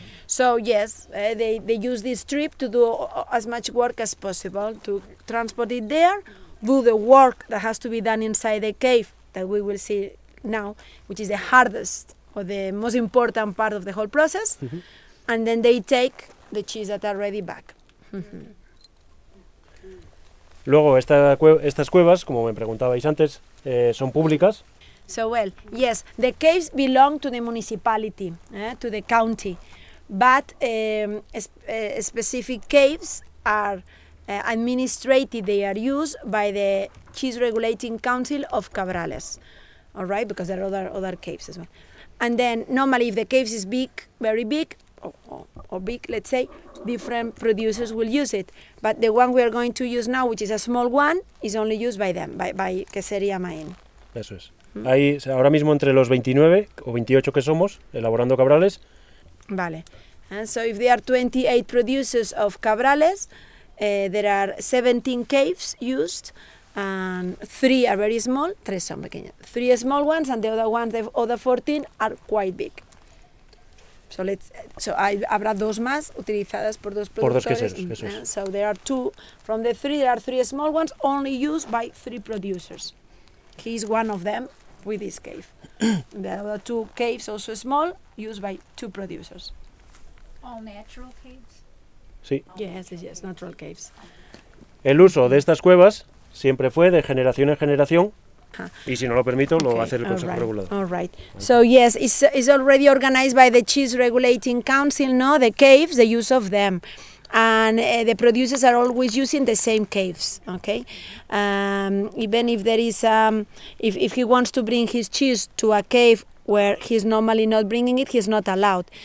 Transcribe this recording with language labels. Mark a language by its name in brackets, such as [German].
[English] So yes, they use this trip to do as much work as possible to transport it there, do the work that has to be done inside the cave that we will see now, which is the hardest or the most important part of the whole process, mm-hmm. And then they take the cheese that are ready back. Mm-hmm. [Spanish] Luego, estas cuevas, como me preguntabais antes, son públicas. [English] So, well, yes, the caves belong to the municipality, to the county. But specific caves are administrated, they are used by the Cheese Regulating Council of Cabrales. All right, because there are other caves as well. And then, normally, if the caves is big, very big, or big, let's say, different producers will use it. But the one we are going to use now, which is a small one, is only used by them, by Quesería Maín. [Spanish] Eso es. Mm-hmm. Ahí, ahora mismo entre los 29 o 28 que somos, elaborando Cabrales. Vale. [English] And so if there are 28 producers of Cabrales, there are 17 caves used, and three are very small, [Spanish] tres son pequeños. [English] Three small ones, and the other ones, the other 14, are quite big. So let's. [Spanish] So I, habrá dos más utilizadas por dos productores. Por dos queseros, eso es. [English] So there are two from the three. There are three small ones only used by three producers. He is one of them with this cave. The other two caves, also small, used by two producers. All natural caves. [Spanish] Sí. [English] Yes, natural caves. [Spanish] El uso de estas cuevas siempre fue de generación en generación. Y si no lo permito, lo va a hacer el Consejo Regulador. [English] All right. So yes, it's already organized by the Cheese Regulating Council, no? The caves, the use of them. And the producers are always using the same caves, okay? Even if there is, if he wants to bring his cheese to a cave where he's normally not bringing it, he's not allowed.